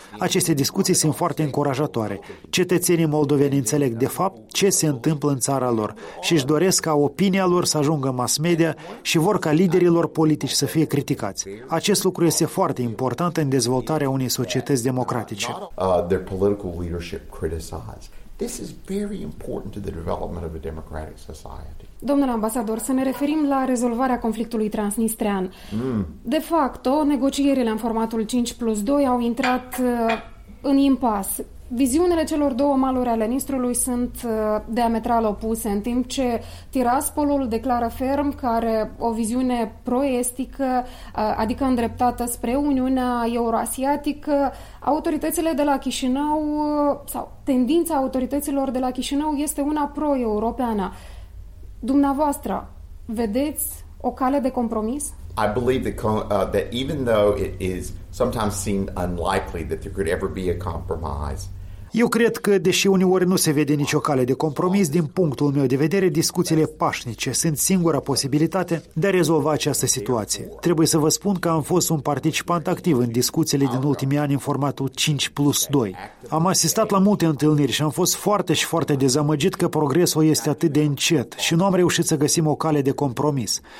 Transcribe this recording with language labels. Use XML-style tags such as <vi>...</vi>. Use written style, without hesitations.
<ro>Aceste discuții sunt foarte încurajatoare. Cetățenii moldoveni înțeleg de fapt ce se întâmplă în țara lor și își doresc ca opinia lor să ajungă în mass media și vor ca liderii lor politici să fie criticați. Acest lucru este foarte important în dezvoltarea unei societăți democratice.</ro> <en>Their political leadership criticized. This is very important to the development of a democratic society.</en> <ro>Domnule ambasador, să ne referim la rezolvarea conflictului transnistrean. De facto, negocierile în formatul 5+2 au intrat în impas. Viziunile celor două maluri ale Nistrului sunt diametral opuse, în timp ce Tiraspolul declară ferm că are o viziune proestică, adică îndreptată spre Uniunea Euroasiatică. Autoritățile de la Chișinău, sau tendința autorităților de la Chișinău, este una pro-europeană. Dumneavoastră, vedeți o cale de compromis?</ro> <en>I believe that even though it is sometimes seemed unlikely that there could ever be a compromise,</en> <ro>Eu cred că, deși uneori nu se vede nicio cale de compromis, din punctul meu de vedere, discuțiile pașnice sunt singura posibilitate de a rezolva această situație. Trebuie să vă spun că am fost un participant activ în discuțiile din ultimii ani în formatul 5+2. Am asistat la multe întâlniri și am fost foarte și foarte dezamăgit că progresul este atât de încet și nu am reușit să găsim o cale de compromis.</ro>